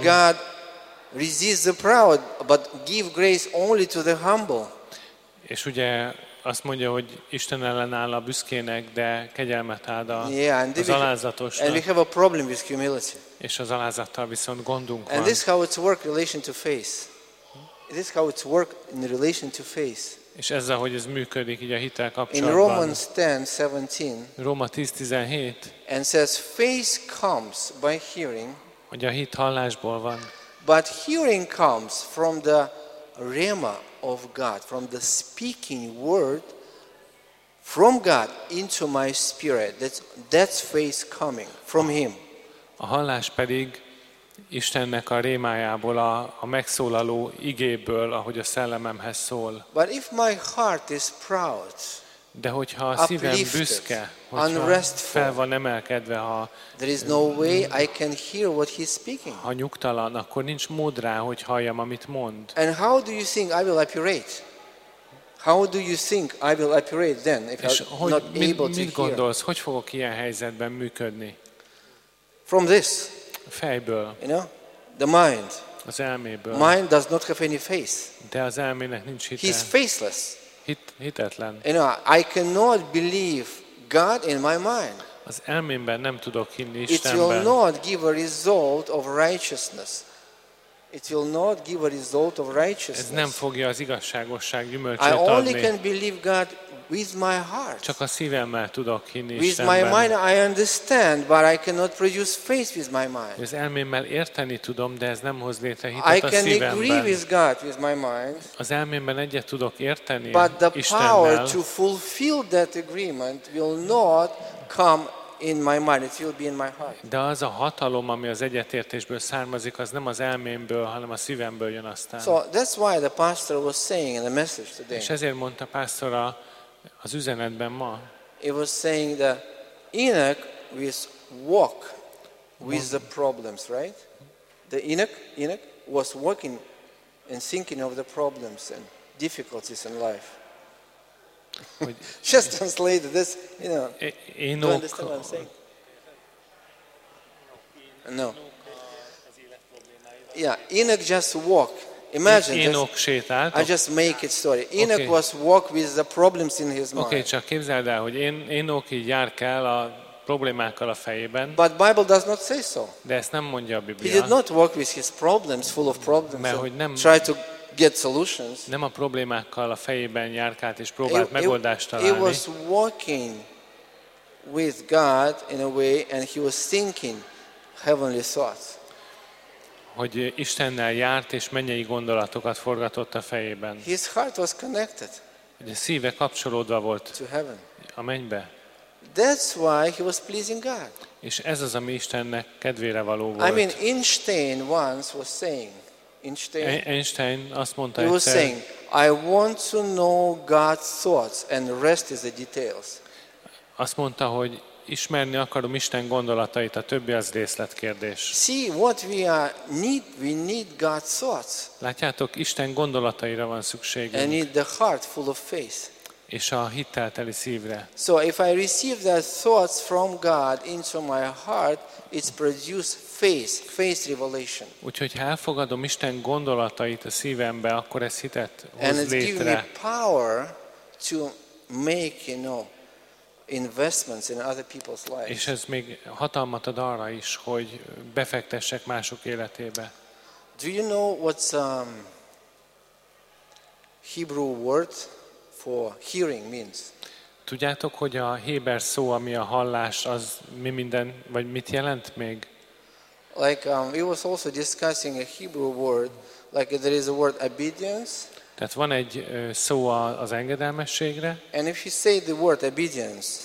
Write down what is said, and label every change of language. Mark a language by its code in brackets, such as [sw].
[en] That God resists the proud, but give grace only to the humble. [hu] És ugye azt mondja, hogy Isten ellenáll a büszkének, de kegyelmet ad a alázatosnak. [en] And we have a problem with humility. [hu] És az alázattal viszont gondunk van. [en] And this is how it's work relation to faith. This is how it's work in relation to faith. [hu] És ez ahogy ez működik így a hittel kapcsolatban. [en] In Romans 10:17. [hu] Róma 10:17. [en] And says faith comes by hearing. [hu] Hogy a hit hallásból van. [en] But hearing comes from the rhema of God, from the speaking word from God into my spirit. That's faith coming from him. [hu] A hallás pedig Istennek a rémájából, a megszólaló igéből, ahogy a szellememhez szól. [en] But if my heart is proud, [hu] de hogyha a szívem büszke, hogyha fel van emelkedve, ha nyugtalan, akkor nincs mód rá, hogy halljam, amit mond. [en] And how do you think I will operate? How do you think I will operate then if I'm not able to hear? [hu] Mit gondolsz, hogy fogok ilyen helyzetben működni? [en] From this, [hu] fejből, [en] you know, the mind, [hu] az elméből. [en] Mind does not have any face. [hu] De az elmének nincs hite. [en] He's faceless. [hu] Hitetlen. [en] You know, I cannot believe God in my mind. [hu] Az elmémben nem tudok hinni Istenben. [en] It will not give a result of righteousness. It will not give a result of righteousness. [hu] Ez nem fogja az igazságosság gyümölcsét adni. [en] I only can believe God with my heart. [hu] Csak a szívemmel tudok hinni Istenben. [en] With my mind I understand, but I cannot produce faith with my mind. [hu] Az elmémmel érteni tudom, de ez nem hoz létre hitet a szívemben. [en] I can agree with God with my mind. [hu] Az elmémben egyet tudok érteni [en] but the [hu] Istennel. [en] Power to fulfill that agreement will not come in my mind, it will be in my heart. [hu] De az a hatalom, ami az egyetértésből származik, az nem az elmémből, hanem a szívemből jön aztán. [en] So that's why the pastor was saying in the message today. [hu] És ezért mondta a pásztor az üzenetben ma. [en] He was saying that Enoch was walk with the problems, right? The Enoch was walking and thinking of the problems and difficulties in life. Just translate this, you know. Enoch. You what I'm no. Yeah, Enoch just walk. Imagine [hu] Enoch sétált. [en] I just make it story. Enoch okay. Was walk with the problems in his mind. [hu] Okay, csak képzeld el, hogy Enoch így jár kell a problémákkal a fejében. [en] But Bible does not say so. [hu] De ezt nem mondja a Biblia. [en] He did not walk with his problems full of problems. [hu] Mert hogy nem [en] try to get solutions. [hu] Nem a problémákkal a fejében járkált és próbált megoldást találni. [en] He was walking with God in a way and he was thinking heavenly thoughts. [hu] Hogy Istennel járt és mennyei gondolatokat forgatott a fejében. [en] His heart was connected. [hu] Hogy a szíve kapcsolódva volt [en] to heaven. [hu] A mennybe. [en] That's why he was pleasing God. [hu] És ez az, ami Istennek kedvére való volt. [en] I mean, Einstein once was saying, [hu] Einstein azt mondta, [en] he was saying, I want to know God's thoughts and the rest is the details. [hu] Azt mondta, hogy ismerni akarom Isten gondolatait, a többi az részletkérdés. [en] See what we need God's thoughts. [hu] Látjátok, Isten gondolataira van szükségünk. [en] And need the heart full of faith. [hu] És a hitelteli szívre. [en] So if I receive the thoughts from God into my heart, it's produced faith, faith revelation. [hu] Úgyhogy ha elfogadom Isten gondolatait a szívembe, akkor ez hitet hoz létre. [en] And it's giving me power to make, you know, investments in other people's lives. [hu] És ez még hatalmat ad arra is, hogy befektessek mások életébe. [en] Do you know what's Hebrew word for hearing means? [hu] Tudjátok, hogy a héber szó, ami a hallás, az mi minden, vagy mit jelent még? [en] Like we was also discussing a Hebrew word, like there is a word obedience. [hu] Tehát van egy szó az engedelmességre. [en] And if you say the word obedience,